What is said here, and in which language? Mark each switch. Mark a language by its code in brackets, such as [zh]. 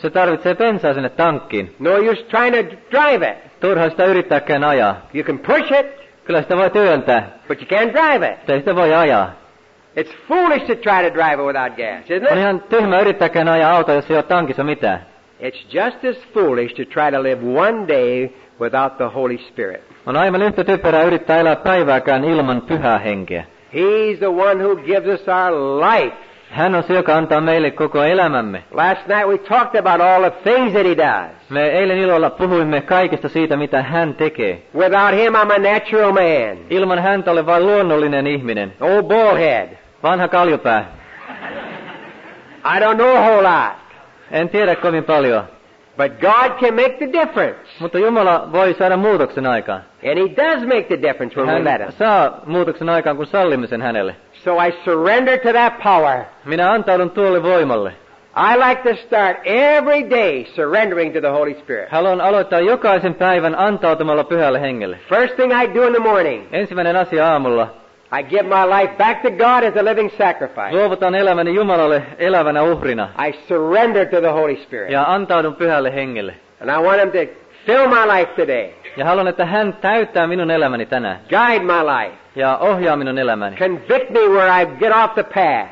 [fi] Se tarvitsee bensaa sinne tankkiin. [en] No use trying to drive it. [fi] Turha sitä yrittääkään ajaa. [en] You can push it. [fi] Kyllä sitä voi työntää. [en] But you can't drive it. [fi] Ei sitä voi ajaa. [en] It's foolish to try to drive it without gas, isn't it? [fi] On ihan tyhmä yrittääkään ajaa auto, jos ei ole tankissa mitään. [en] It's just as foolish to try to live one day without the Holy Spirit. [fi] On aivan yhtä typerää yrittää elää päivääkään ilman pyhää henkeä. [en] He's the one who gives us our life. [fi] Hän on se, joka antaa meille koko elämämme. [en] Last night we talked about all the things that he does. [fi] Me eilen illalla puhuimme kaikesta siitä, mitä hän tekee. [en] Without him I'm a natural man. [fi] Ilman häntä olen vain luonnollinen ihminen. [en] Old bullhead. [fi] Vanha kaljupää. [en] I don't know a whole lot. [fi] En tiedä kovin paljon. [en] But God can make the difference. [fi] Mutta Jumala voi saada muutoksen aikaan. [en] And he does make the difference when [fi] hän [en] we let him. [fi] Saa muutoksen aikaan, kun sallimme sen hänelle. [en] So I surrender to that power. [fi] Minä antaudun tuolle voimalle. [en] I like to start every day surrendering to the Holy Spirit. [fi] Haluan aloittaa jokaisen päivän antautumalla pyhälle hengelle. [en] First thing I do in the morning. [fi] Ensimmäinen asia aamulla. [en] I give my life back to God as a living sacrifice. [fi] Luovutan elämäni Jumalalle elävänä uhrina. [en] I surrender to the Holy Spirit. [fi] Ja antaudun pyhälle hengelle. [en] And I want him to fill my life today. [fi] Ja haluan, että hän täyttää minun elämäni tänään. [en] Guide my life. [fi] Ja ohjaa minun elämäni. [en] Convict me where I get off the path.